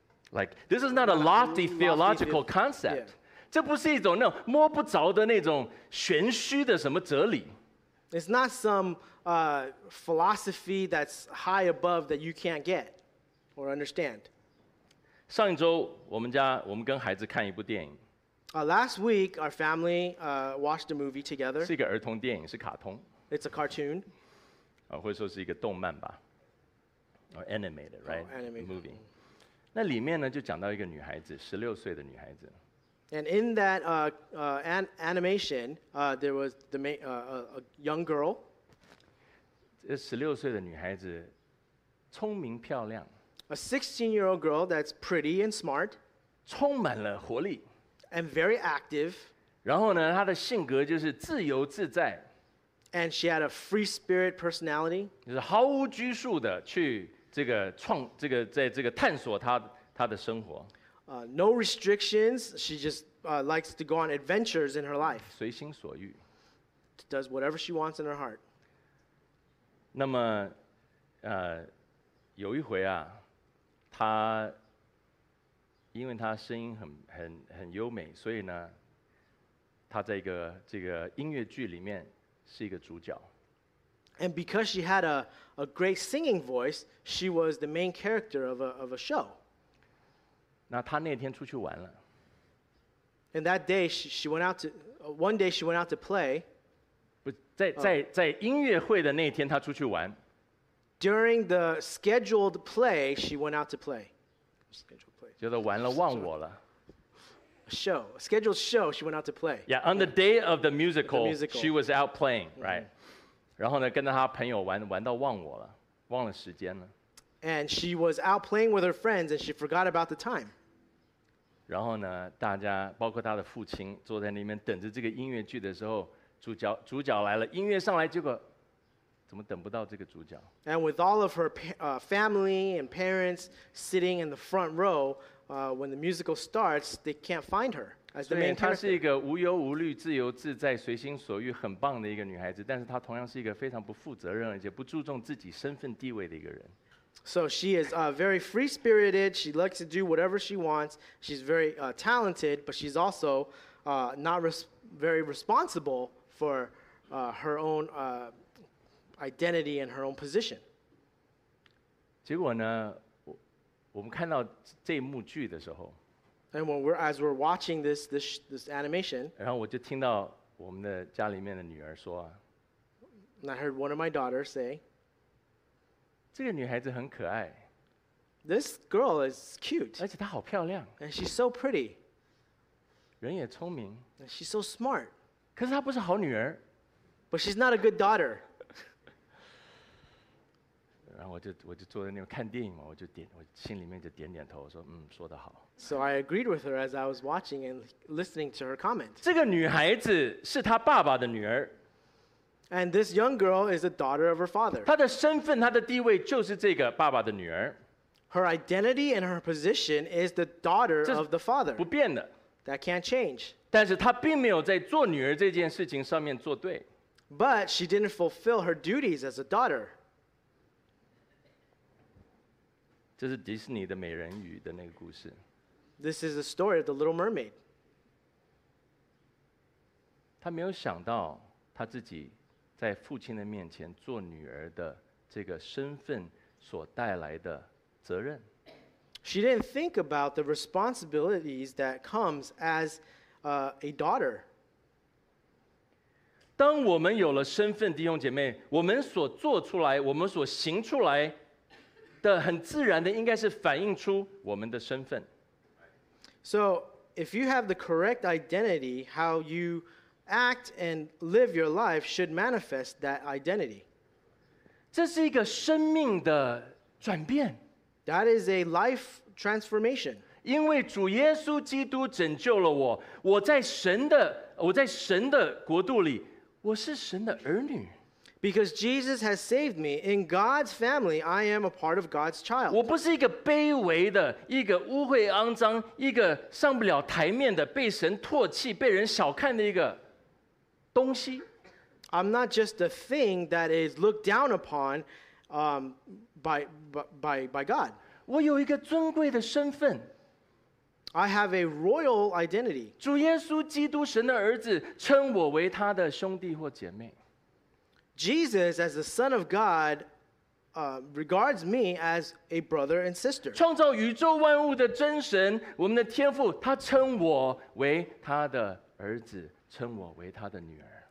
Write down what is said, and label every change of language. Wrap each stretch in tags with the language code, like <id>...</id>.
<en>like this is not a lofty theological concept.</en> <zh>这不是一种那种摸不着的那种玄虚的什么哲理。</zh> <en>It's not some philosophy that's high above that you can't get or understand.</en> <zh>上一周我们家我们跟孩子看一部电影。</zh> <en>Last week our family watched a movie together.</en> <zh>是一个儿童电影，是卡通。</zh> <en>It's a cartoon.</en> <zh>或者说是一个动漫吧。</zh> <en>Or animated, right? Oh, animated movie.</en> <zh>那里面呢就讲到一个女孩子，十六岁的女孩子。</zh> <en>And in that animation, there was the main, a young girl.</en> <zh>这十六岁的女孩子，聪明漂亮。</zh> <en>A 16-year-old girl that's pretty and smart.</en> <zh>充满了活力。</zh> <en>And very active.</en> <zh>然后呢，她的性格就是自由自在。</zh> <en>And she had a free spirit personality.</en> <zh>就是毫无拘束的去这个创这个在这个探索她的生活。</zh> <en>No restrictions. She just likes to go on adventures in her life.</en> <zh>随心所欲。</zh> <en>Does whatever she wants in her heart.</en> <zh>那么，有一回啊，她因为她声音很优美，所以呢，她在一个这个音乐剧里面。是一个主角。</zh> <en>And because she had a great singing voice, she was the main character of a show.</en> <zh>那她那天出去玩了。</zh> <en>And that day she went out to one day she went out to play.</en> <zh>不在音乐会的那天她出去玩。</zh> <en>During the scheduled play, she went out to play. Scheduled play.</en> <zh>觉得玩了忘我了。</zh> <en>Show, a scheduled show, she went out to play. Yeah, on the day of the musical, the musical. She was out playing, right?</en> <zh>然后呢，跟着她朋友玩到忘我了，忘了时间了。</zh> <en>And she was out playing with her friends, and she forgot about the time.</en> <zh>然后呢，大家包括她的父亲坐在那边等着这个音乐剧的时候，主角来了，音乐上来，结果怎么等不到这个主角</zh> <en>？And with all of her family and parents sitting in the front row. When the musical starts, they can't find her as the main character.</en> <zh>所以她是一个无忧无虑、自由自在、随心所欲、很棒的一个女孩子，但是她同样是一个非常不负责任而且不注重自己身份地位的一个人。</zh> <en>So she is very free-spirited. She likes to do whatever she wants. She's very talented, but she's also not very responsible for her own identity and her own position.</en> <zh>结果呢？我们看到这一幕剧的时候</zh> <en>，and when we're as we're watching this animation，</en> <zh>然后我就听到我们的家里面的女儿说</zh> <en>，and I heard one of my daughters say，</en> <zh>这个女孩子很可爱</zh> <en>，this girl is cute，</en> <zh>而且她好漂亮</zh> <en>，and she's so pretty，</en> <zh>人也聪明</zh> <en>，and she's so smart，</en> <zh>可是她不是好女儿</zh> <en>，but she's not a good daughter。</en> <zh>然后我就坐在那边看电影嘛，我心里面就点点头，我说嗯，说得好。</zh> <en>So I agreed with her as I was watching and listening to her comment.</en> <zh>这个女孩子是她爸爸的女儿。</zh> <en>And this young girl is a daughter of her father.</en> <zh>她的身份、她的地位就是这个爸爸的女儿。</zh> <en>Her identity and her position is the daughter of the father.</en> <zh>不变的。</zh> <en>That can't change.</en> <zh>但是她并没有在做女儿这件事情上面做对。</zh> <en>But she didn't fulfill her duties as a daughter.</en> <zh>这是迪士尼的美人鱼的那个故事。</zh> <en>This is the story of the Little Mermaid.</en> <zh>她没有想到她自己在父亲的面前做女儿的这个身份所带来的责任。</zh> <en>She didn't think about the responsibilities that comes as a daughter.</en> <zh>当我们有了身份，弟兄姐妹，我们所做出来，我们所行出来。的很自然的应该是反映出我们的身份。</zh> <en>So, if you have the correct identity, how you act and live your life should manifest that identity.</en> <zh>这是一个生命的转变。</zh> <en>That is a life transformation.</en> <zh>因为主耶稣基督拯救了我，我在神的国度里，我是神的儿女。</zh> <en>Because Jesus has saved me, in God's family, I am a part of God's child.</en> <zh>我不是一个卑微的，一个污秽肮脏，一个上不了台面的，被神唾弃，被人小看的一个东西。</zh> <en>I'm not just a thing that is looked down upon, by God.</en> <zh>我有一个尊贵的身份。</zh> <en>I have a royal identity.</en> <zh>主耶稣基督，神的儿子，称我为他的兄弟或姐妹。</zh> <en>Jesus, as the Son of God, regards me as a brother and sister.</en> <zh>创造宇宙万物的真神，我们的天父，他称我为他的儿子，称我为他的女儿。</zh>